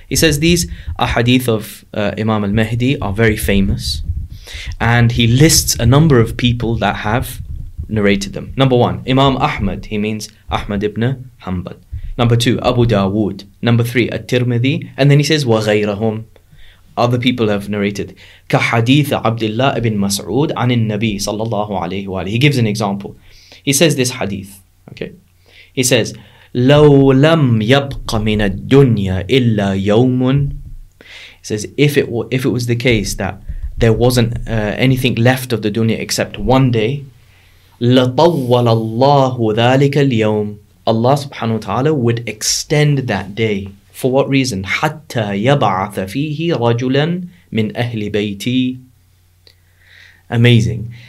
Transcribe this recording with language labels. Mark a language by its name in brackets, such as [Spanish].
[English] He says these ahadith of Imam al-Mahdi are very famous. And he lists a number of people that have narrated them. Number one, Imam Ahmad. He means Ahmad ibn Hanbal. Number two, Abu Dawood. Number three, At-Tirmidhi. And then he says, وَغَيْرَهُمْ. Other people have narrated. [Arabic] كَحَدِيثَ عَبْدِ اللَّهِ بِنْ مَسْعُودِ عَنِ النَّبِيِّ صَلَّى اللَّهُ عَلَيْهِ وَعَلَيْهِ. [English] He gives an example. He says this hadith. Okay. He says, [Arabic] لَوْ لَمْ يَبْقَ مِنَ الدُّنْيَا إِلَّا يَوْمٌ. [English] He says, if it was the case that there wasn't anything left of the dunya except one day, [Arabic] لَطَوَّلَ اللَّهُ ذَلِكَ الْيَوْمِ. [English] Allah subhanahu wa ta'ala would extend that day. For what reason? [Arabic] حَتَّى يَبْعَثَ فِيهِ رَجُلًا مِنْ أَهْلِ بَيْتِي. Amazing.